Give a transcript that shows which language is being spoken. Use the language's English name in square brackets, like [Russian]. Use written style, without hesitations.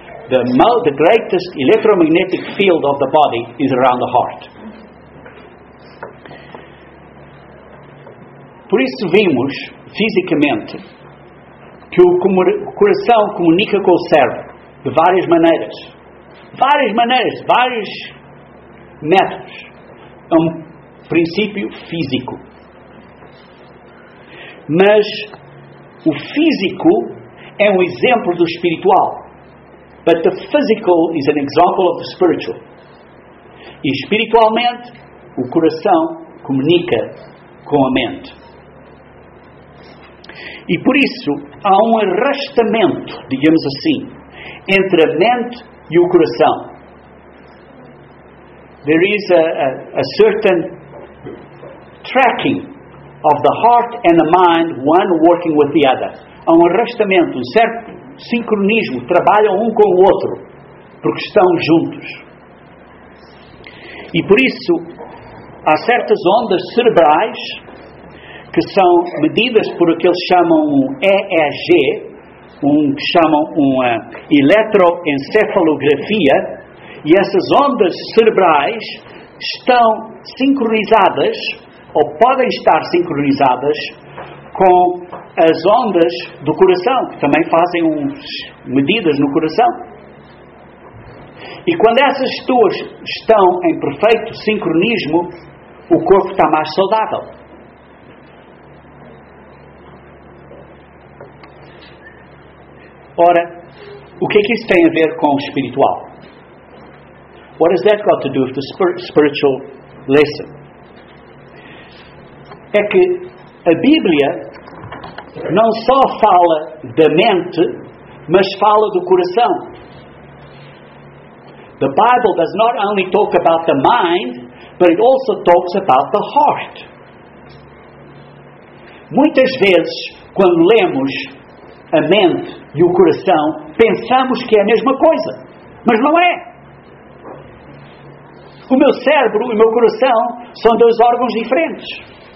[English] The greatest electromagnetic field of the body is around the heart. [Portuguese] Por isso vimos fisicamente que o coração comunica com o cérebro de várias maneiras. Várias maneiras, vários métodos. É um princípio físico. Mas o físico é um exemplo do espiritual. [English] But the physical is an example of the spiritual. [Portuguese] E espiritualmente, o coração comunica com a mente. E por isso, há um arrastamento, digamos assim, entre a mente e o coração. [English] There is a certain tracking of the heart and the mind, one working with the other. [Portuguese] Há um arrastamento, um certo sincronismo, trabalham um com o outro, porque estão juntos. E por isso, há certas ondas cerebrais que são medidas por o que eles chamam um EEG, uma eletroencefalografia, e essas ondas cerebrais estão sincronizadas, ou podem estar sincronizadas, com as ondas do coração, que também fazem medidas no coração. E quando essas duas estão em perfeito sincronismo, o corpo está mais saudável. Ora, o que é que isso tem a ver com o espiritual? [English] What has that got to do with the spiritual lesson? [Portuguese] É que a Bíblia não só fala da mente, mas fala do coração. [English] The Bible does not only talk about the mind, but it also talks about the heart. [Portuguese] Muitas vezes, quando lemos a mente e o coração, pensamos que é a mesma coisa, mas não é. O meu cérebro e o meu coração são dois órgãos diferentes.